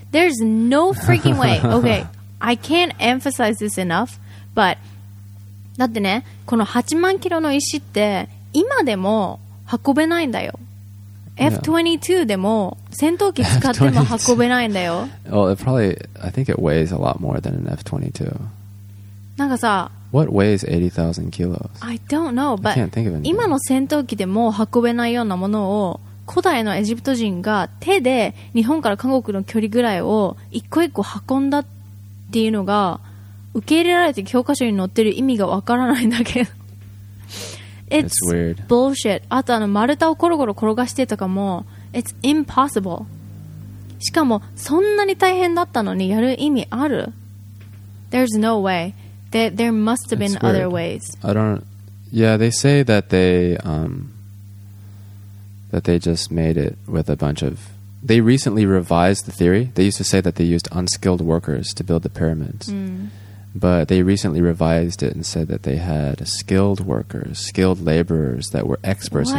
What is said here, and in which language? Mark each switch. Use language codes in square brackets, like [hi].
[en] There's no freaking way. Okay, I can't emphasize this enough. [ja] But だってね、この8万キロの石って今でも運べないんだよ。 F-22 でも戦闘機使っても運べないんだよ。 [en] Well, it probably, I think it weighs a lot more than an F-22. [ja] なんかさ、 [en] What weighs 80,000 kilos? I don't know, but I can't think of anything. [ja] 今の戦闘機でも運べないようなものを古代のエジプト人が手で日本から韓国の距離ぐらいを一個一個運んだっていうのが受け入れられて教科書に載ってる意味がわからないんだけど。 [en] It's weird. Bullshit. [ja] あとあの丸太をコロコロ転がしてとかも、 [en] It's impossible. [ja] しかもそんなに大変だったのにやる意味ある？ [en] There's no way. There must have been other ways. I don't. Yeah, they say that they just made it with a bunch of. They recently revised the theory. They used to say that they used unskilled workers to build the pyramids. But they recently revised it and said that they had skilled workers, skilled laborers that were experts